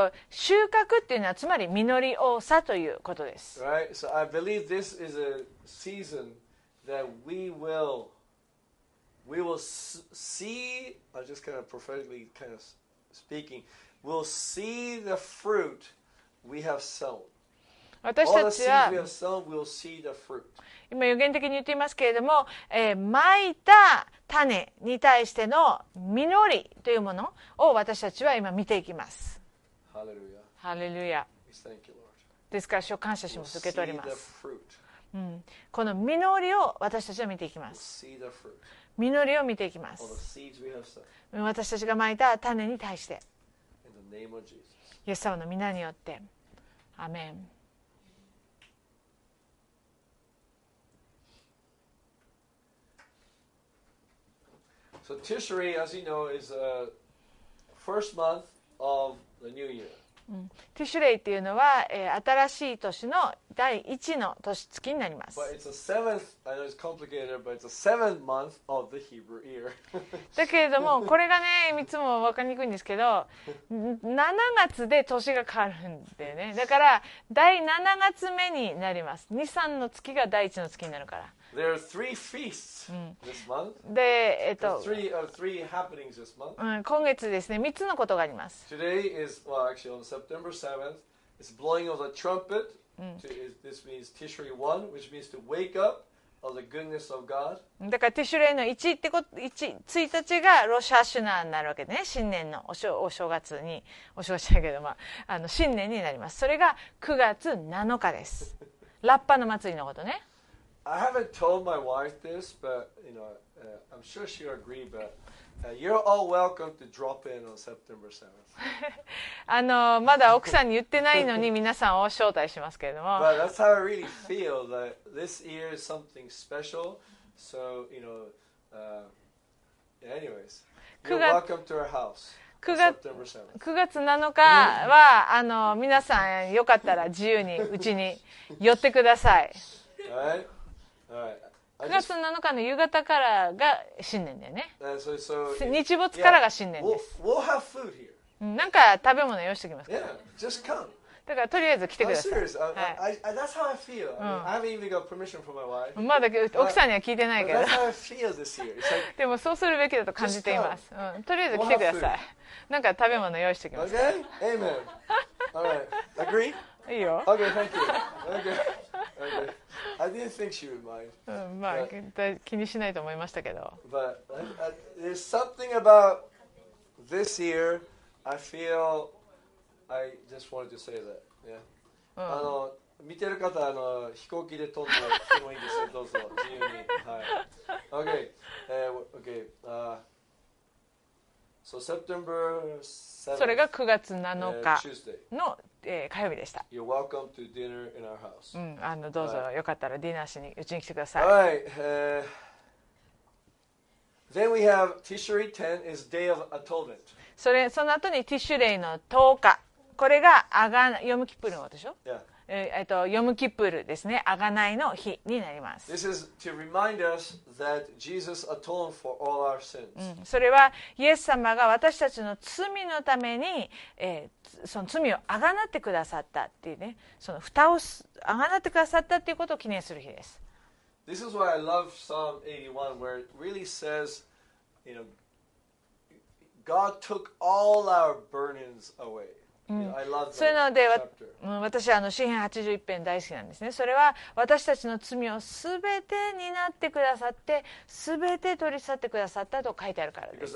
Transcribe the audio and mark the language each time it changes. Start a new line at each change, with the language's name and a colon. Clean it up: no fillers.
Japanese: 収穫っていうのはつまり実り多さということです。
English: Right. So I believe this is a season that we will see. I'm just kind of prophetically kind of speaking. We'll see the fruit we have sown. All the seeds we have sown, we'll see the fruit.
Japanese: 今予言的に言っていますけれども、蒔いた種に対しての実りというものを私たちは今見ていきます。ハレルヤ。ハレルヤ。
English: Thank you, Lord.
Japanese: ですから主を感謝します。受け取ります。
English: We'll see the fruit.
Japanese: この実りを私たちは見ていきます。
English: We'll see the fruit.
Japanese: 実りを見ていきます。私たちが蒔いた種に対して。
English: In the name of Jesus.
Japanese: イエス様の御名によって。アメン。
English: So Tishrei, as you know, is the first month of the new year.
Japanese: Tishrei っていうのは、新しい年の第一の年月になります。
English: But it's a seventh. I know it's complicated, but it's a seventh month of the Hebrew year.
Japanese: だけれどもこれがね、いつも分かりにくいんですけど、7月で年が変わるんでね。だから第7月目になります。2、3の月が第一の月になるから。
English: There are three feasts this month. で、 three happenings this month.
Japanese: 今月ですね、3つのことがあります。
English: Today is, well, actually on September 7th, it's blowing of the trumpet. This means Tishrei 1, which means to wake up of the goodness of God.
Japanese: だからティシュレイの1ってこと、1、1日がロシャシュナーになるわけでね、新年のお正月に、お正月だけど、まあ、あの新年になります。それが9月7日です。ラッパの祭りのことね。
English: I haven't told my wife this, but you know, I'm sure she'll agree. But you're all welcome to drop in on September 7th.
Japanese: あのまだ奥さんに言ってないのに皆さんを招待しますけれども。
English: But that's how I really feel that this year is something special. So you know, anyways, you're welcome to our house.
Japanese: 9月7日はあの皆さんよかったら自由にうちに寄ってください。
English: Right.
Japanese: 9月7日の夕方からが新年だよね。
English: So,
Japanese: 日没からが新年です。
English: We'll have food here.
Japanese: なんか食べ物用意しておきますか。
English: Yeah, just come.
Japanese: だからとりあえず来てください。
English: I'm serious. That's how I feel. I haven't even got permission from my wife.
Japanese: まだ奥さんには聞いてないけど。
English: That's how I feel this year.
Japanese: でもそうするべきだと感じています。とりあえず来てください。なんか食べ物用意しておきます。
English: Okay? Amen. All right. Agree?
Japanese: いいよ。
English: Okay, thank you. Okay. I didn't think she would mind.
Japanese: まあ、but, 気にしないと思いましたけど。
English: But there's something about this year. I feel I just wanted to say that. Yeah.
Japanese: あの見てる方あの飛行機で飛んだらもいいですよ。どうぞ自由に。はい。
English: Okay. Okay. So September 7th.
Japanese: それが9月7日の。火曜日でした。
English: You're welcome to dinner in our house.
Japanese: あのどうぞ、よかったらディナーしにうちに来てください。
English: All right. Then we have Tishrei 10 is Day of Atonement.
Japanese: その後にティシュレイの10日、これがアガヨムキプルのことでしょ？
English: Yeah.
Japanese: ヨムキプルですね、贖いの日になります。
English: This is to remind us that Jesus atoned for all our sins.
Japanese: それはイエス様が私たちの罪のために、その罪を贖ってくださったっていうね、その蓋を贖ってくださったっていうことを記念する日です。
English: This is why I love Psalm 81 where it really says, you know, God took all our burdens away
Japanese: それなので、私は詩編81編大好きなんですね。それは私たちの罪をすべて担ってくださって、すべて取り去ってくださったと書いてあるからです。